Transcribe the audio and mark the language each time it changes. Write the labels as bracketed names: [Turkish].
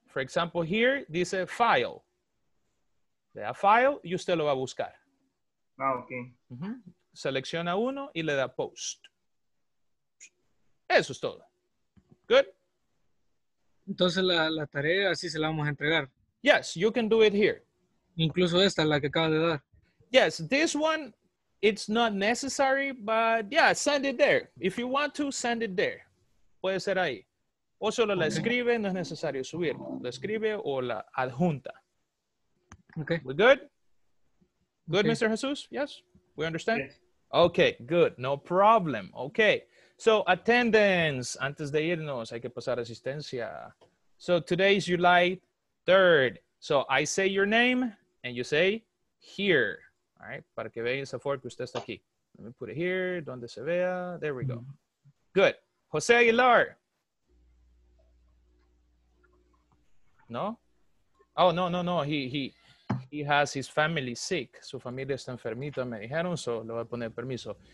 [English] For example, here, [Spanish] dice file. Le da file y usted lo va a buscar. Ah, okay. Mm-hmm. Selecciona uno y le da post. Eso es todo. [English] Good. [Spanish] Entonces la tarea así se la vamos a entregar. [English] Yes, you can do it here. [Spanish] Incluso esta, la que acaba de dar. [English] Yes, this one, it's not necessary, but yeah, send it there. If you want to, send it there. [Spanish] Puede ser ahí. O solo la escribe, no es necesario subir. La escribe o la adjunta. [English] Okay. We're good? Good, okay. Mr. Jesus? Yes? We understand? Yes. Okay, good. No problem. Okay. So, attendance, [Spanish] antes de irnos, hay que pasar asistencia. [English] So, today is July 3rd. So, I say your name, and you say, here. All right, [Spanish] para que vean esa forma que usted está aquí. [English] Let me put it here, [Spanish] donde se vea. [English] There we go. Good. Jose Aguilar. No? Oh, no. He has his family sick. [Spanish] Su familia está enfermita, me dijeron, so le voy a poner permiso.